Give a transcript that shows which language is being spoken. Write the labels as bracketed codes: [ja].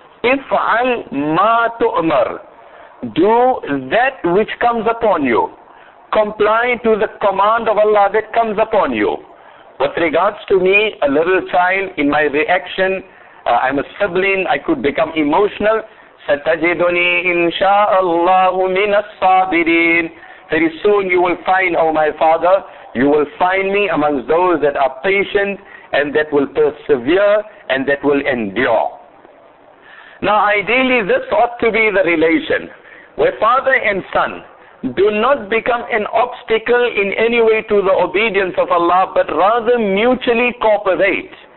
[ar] If'al ma tu'mar. [en] Do that which comes upon you. Comply to the command of Allah that comes upon you. With regards to me, a little child, in my reaction, I'm a sibling, I could become emotional. [ar] ستجدني إن شاء الله من الصابرين. [en] Very soon you will find, oh my father, you will find me amongst those that are patient and that will persevere and that will endure. Now ideally this ought to be the relation where father and son do not become an obstacle in any way to the obedience of Allah, but rather mutually cooperate.